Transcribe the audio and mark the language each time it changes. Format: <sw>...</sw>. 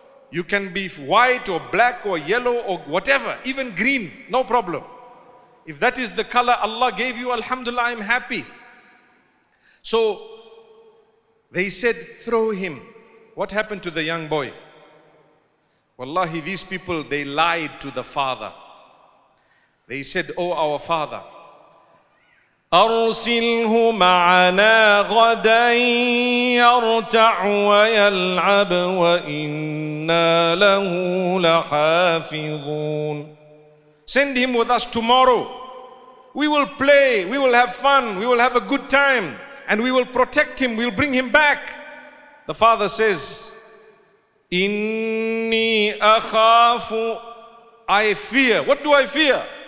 <en>You can be white or black or yellow or whatever, even green, no problem. If that is the color Allah gave you, alhamdulillah, I'm happy. So they said, throw him. What happened to the young boy? Wallahi, these people, they lied to the father. They said, oh, our father,</en> <ar>أرسله معنا غدا يرتع ويلعب وإنا له لحافظون.</ar> <en>Send him with us tomorrow. We will play, we will have fun, we will have a good time, and we will protect him, we'll bring him back. The father says,</en> <ar>إني أخاف.</ar> <en>I fear. What do I fear?</en>